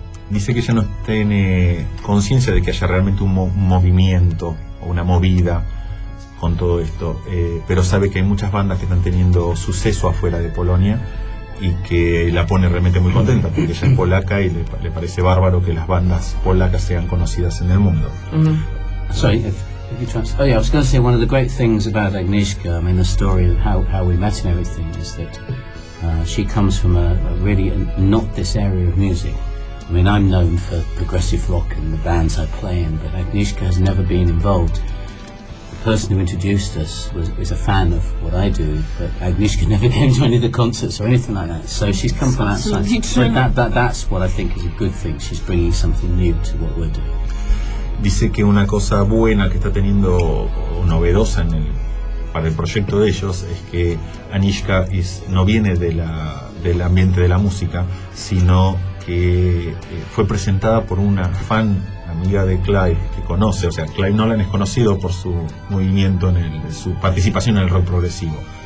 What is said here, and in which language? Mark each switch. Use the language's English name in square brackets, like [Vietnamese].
[Spanish] Dice que ella no tiene conciencia de que haya realmente un movimiento o una movida con todo esto, pero sabe que hay muchas bandas que están teniendo suceso afuera de Polonia y que la pone realmente muy contenta, porque ella es polaca y le parece bárbaro que las bandas polacas sean conocidas en el mundo. [English] Sorry, if you translate. Oh yeah, I was going to say one of the great things about Agnieszka, I mean the story of how we met and everything, is that she comes from not this area of music. I mean, I'm known for progressive rock and the bands I play in, but Agnieszka has never been involved. The person who introduced us was a fan of what I do, but Agnieszka never came to any of the concerts or anything like that. So she's come from outside. So that's what I think is a good thing. She's bringing something new to what we're doing. [Spanish] Dice que una cosa buena que está teniendo, o novedosa en el, para el proyecto de ellos, es que Agnieszka no viene del ambiente de la música, sino que fue presentada por una fan, amiga de Clive, que conoce, o sea, Clive Nolan es conocido por su movimiento, su participación en el rock progresivo.